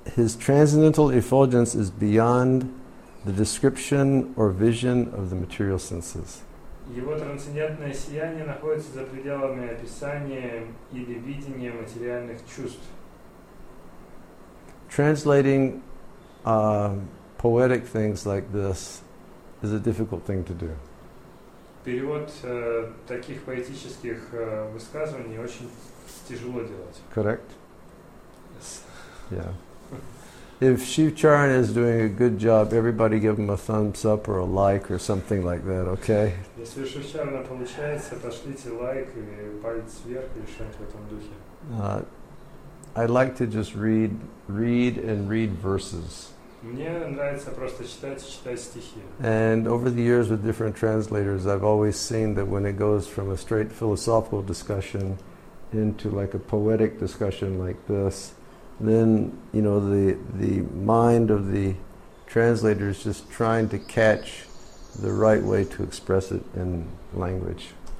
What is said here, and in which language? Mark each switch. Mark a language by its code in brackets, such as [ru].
[en] His transcendental effulgence is beyond the description or vision of the material senses. [ru] Его трансцендентное сияние находится за пределами описания или видения материальных чувств. [en] Translating poetic things like this is a difficult thing to do. [ru] Перевод таких поэтических высказываний очень тяжело делать. [en] Correct? Yes. Yeah. if Shiv Charan is doing a good job, everybody give him a thumbs up or a like or something like that, okay? [ru] Если Шив Чарна получается, пошлите лайк и палец вверх или что-нибудь в этом духе. [en] I like to just read verses. [ru] Мне нравится просто читать и читать стихи. [en] And over the years with different translators, I've always seen that when it goes from a straight philosophical discussion into like a poetic discussion like this, then, you know, the mind of the translator is just trying to catch the right way to express it in language.